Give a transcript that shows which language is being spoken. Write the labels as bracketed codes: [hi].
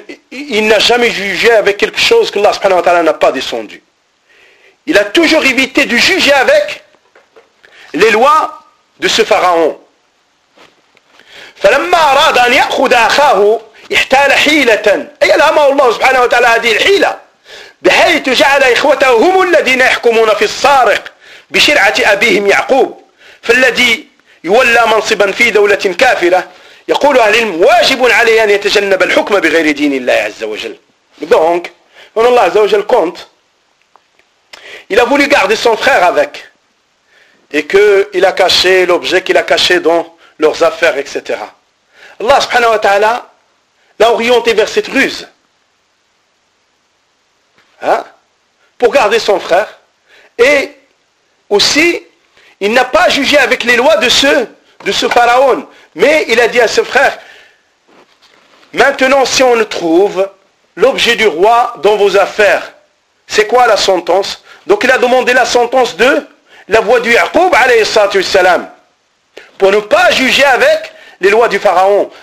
[fr] Il n'a jamais jugé avec quelque chose que Allah subhanahu wa ta'ala n'a pas descendu. Il a toujours évité de juger avec les lois de ce pharaon. [ar] فلما أراد أن يأخذ أخاه احتال حيلة أي الأمر الله سبحانه وتعالى هذه الحيلة بحيث جعل إخوته هم الذين يحكمون في الصارق بشرعة أبيهم يعقوب فالذي يولى منصبا في دولة كافرة يقول أهل العلم واجب عليه أن يتجنب الحكم بغير دين الله عز وجل دونك أن الله عز وجل كونت [fr] il a voulu garder son frère avec et que il a caché l'objet qu'il a caché dans leurs affaires etc Allah subhanahu wa ta'ala l'a orienté vers cette ruse hein? pour garder son frère et aussi il n'a pas jugé avec les lois de ce pharaon mais il a dit à ce frère maintenant si on trouve l'objet du roi dans vos affaires c'est quoi la sentence donc il a demandé la sentence de la voix du Yaqub alayhi salatu wassalam pour ne pas juger avec les lois du pharaon.